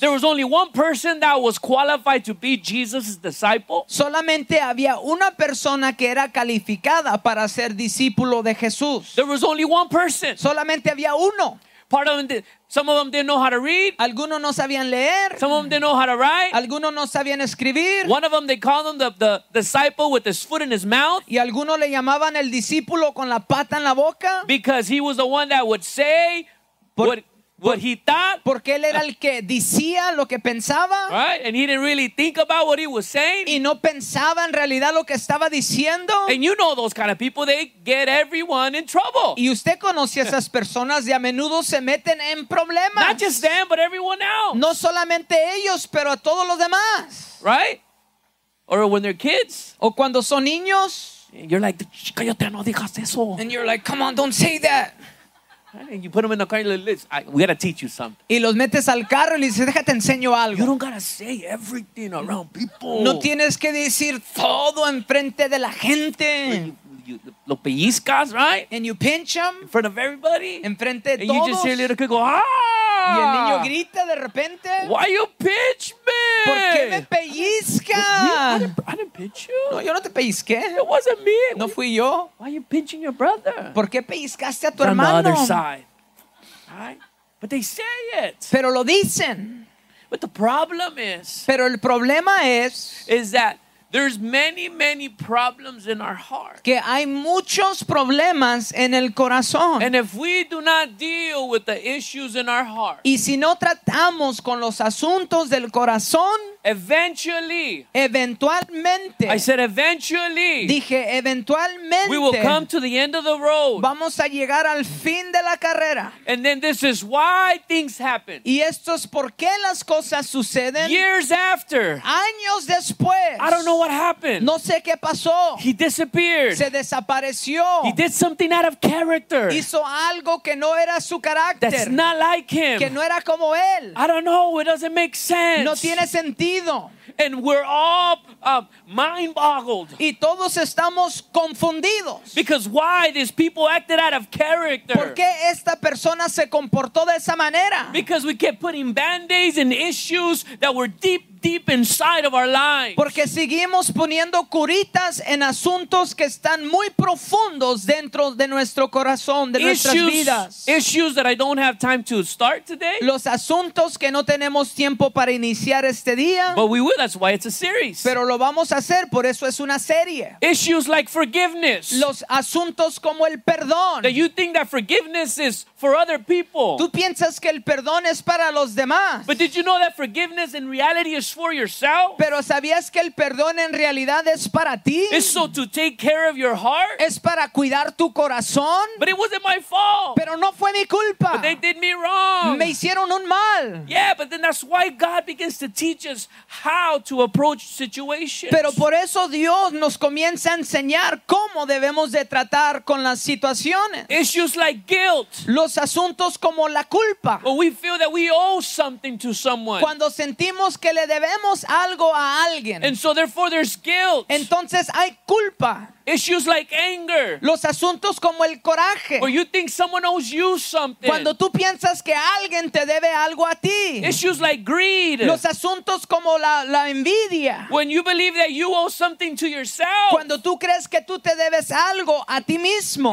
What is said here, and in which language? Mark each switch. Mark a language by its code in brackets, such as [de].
[en] There was only one person that was qualified to be Jesus' disciple. [es] Solamente había una persona que era calificada para ser discípulo de Jesús. [en] There was only one person. [es] Solamente había uno. [en] Part of them, some of them didn't know how to read. [es] Algunos no sabían leer. [en] Some of them didn't know how to write. [es] Algunos no sabían escribir. [en] One of them, they called him the disciple with his foot in his mouth. [es] Y algunos le llamaban el discípulo con la pata en la boca. [en] Because he was the one that would say what he thought. [es] Porque él era el que decía lo que pensaba. [en] Right? And he didn't really think about what he was saying. [es] Y no pensaba en realidad lo que estaba diciendo. [en] And you know those kind of people, they get everyone in trouble. [es] Y usted conoce a esas personas y a menudo se meten en problemas. [en] Not just them, but everyone else. [es] No solamente ellos, pero a todos los demás. [en] Right? Or when they're kids. [es] O cuando son niños. [en] And you're like, [es] cállate, no digas eso. [en] And you're like, come on, don't say that. And you put them in the car and you're like, listen, we got to teach you something. [es] Y los metes al carro y le dices, déjate enseño algo. [en] You don't got to say everything around people. [es] No tienes que decir todo en frente de la gente. Lo pellizcas, [en] right? And you pinch them. In front of everybody. [es] En frente de [en] and [es] todos. [en] And you just hear a little kid go, ah! [es] Y el niño grita de repente. [en] Why you pinch me? [es] ¿Por qué me pellizca? [en] I didn't pinch you. [es] No, yo no te pellizqué. [en] It wasn't me. [es] No fui yo. [en] Why you pinching your brother? [es] ¿Por qué pellizcaste a tu [en] From [es] hermano? [en] From the other side. Right? But they say it. [es] Pero lo dicen. [en] But the problem is. [es] Pero el problema es. [en] Is that there's many, many problems in our heart. [es] Que hay muchos problemas en el corazón. [en] And if we do not deal with the issues in our heart, [es] y si no tratamos con los asuntos del corazón, [en] eventually, [es] eventualmente, [en] I said eventually, [es] dije eventualmente, [en] we will come to the end of the road. [es] Vamos a llegar al fin de la carrera. [en] And then this is why things happen. [es] Y esto es por qué las cosas suceden. [en] Years after, [es] años después, [en] I don't know what happened. [es] No sé qué pasó. [en] He disappeared. [es] Se desapareció. [en] He did something out of character. [es] Hizo algo que no era su carácter. [en] That's not like him. [es] Que no era como él. [en] I don't know. It doesn't make sense. [es] No tiene sentido. [en] And we're all mind boggled. [es] Y todos estamos confundidos. [en] Because why these people acted out of character? [es] ¿Por qué esta persona se comportó de esa manera? [en] Because we kept putting band-aids and issues that were deep inside of our lives. [es] Porque seguimos poniendo curitas en asuntos que están muy profundos dentro de nuestro corazón, de [en] issues, [es] nuestras vidas. [en] Issues that I don't have time to start today. [es] Los asuntos que no tenemos tiempo para iniciar este día. [en] But we will, that's why it's a series. [es] Pero lo vamos a hacer, por eso es una serie. [en] Issues like forgiveness. [es] Los asuntos como el perdón. [en] That you think that forgiveness is for other people. [es] Tú piensas que el perdón es para los demás. [en] But did you know that forgiveness in reality is for yourself? [es] Pero ¿sabías que el perdón en realidad es para ti? [en] It's so to take care of your heart. [es] Es para cuidar tu corazón. [en] But it wasn't my fault. [es] Pero no fue mi culpa. [en] But they did me wrong. [es] Me hicieron un mal. [en] Yeah, but then that's why God begins to teach us how to approach situations. [es] Pero por eso Dios nos comienza a enseñar cómo debemos de tratar con las situaciones. [en] Issues like guilt. [es] Los asuntos como la culpa. [en] When we feel that we owe something to someone. [es] Cuando sentimos que le debemos algo a alguien. [en] And so therefore there's guilt. [es] Entonces hay culpa. [en] Issues like anger. [es] Los asuntos como el coraje. [en] When you think someone owes you something. [es] Cuando tú piensas que alguien te debe algo a ti. [en] Issues like greed. [es] Los asuntos como la envidia. [en] When you believe that you owe something to yourself. [es] Cuando tú crees que tú te debes algo a ti mismo.